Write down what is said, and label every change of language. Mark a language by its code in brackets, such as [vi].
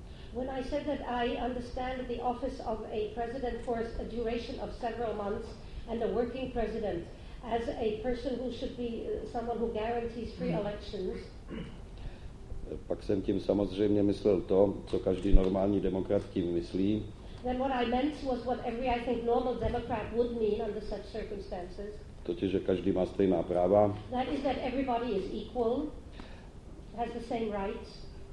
[en] when I said that I understand the office of a president for a duration of several months and a working president as a person who should be someone who guarantees free elections, [cs] pak jsem tím samozřejmě myslel to, co každý normální demokrat tím myslí. [en] Then what I meant was what every, I think, normal democrat would mean under such circumstances. [cs] Totiž, že každý má stejná práva. [en] That is that everybody is equal, has the same rights.